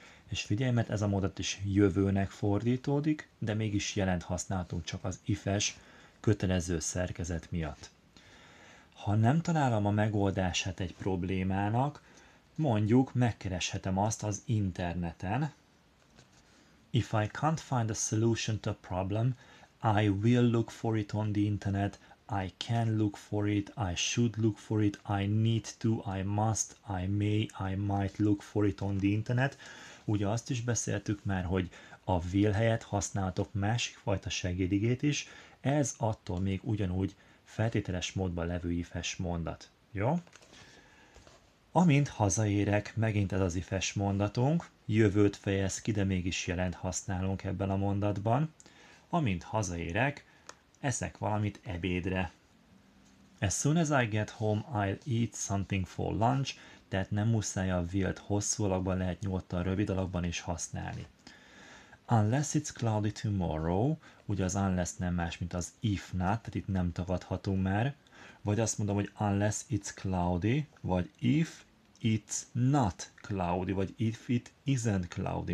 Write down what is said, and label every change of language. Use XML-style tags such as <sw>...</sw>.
<hu>És figyelj, mert ez a mondat is jövőnek fordítódik, de mégis jelent használhatunk csak az if-es kötelező szerkezet miatt. Ha nem találom a megoldását egy problémának, mondjuk megkereshetem azt az interneten.</hu> <en>If I can't find a solution to a problem, I will look for it on the internet, I can look for it, I should look for it, I need to, I must, I may, I might look for it on the internet.</en> <hu>Ugye azt is beszéltük már, hogy a will helyett használhatok másik fajta segédigét is, ez attól még ugyanúgy feltételes módban levő ifes mondat. Jó? Amint hazaérek, megint ez az ifes mondatunk, jövőt fejez ki, de mégis jelent használunk ebben a mondatban. Amint hazaérek, eszek valamit ebédre.</hu> <en>As soon as I get home, I'll eat something for lunch.</en> <hu>Tehát nem muszáj a will-t hosszú alakban, lehet nyugodtan rövid alakban is használni.</hu> <en>Unless it's cloudy tomorrow,</en> <hu>ugye az unless nem más, mint az</hu> <en>if not,</en> <hu>tehát itt nem tagadhatunk már. Vagy azt mondom, hogy</hu> <en>unless it's cloudy, vagy if it's not cloudy, vagy if it isn't cloudy.</en>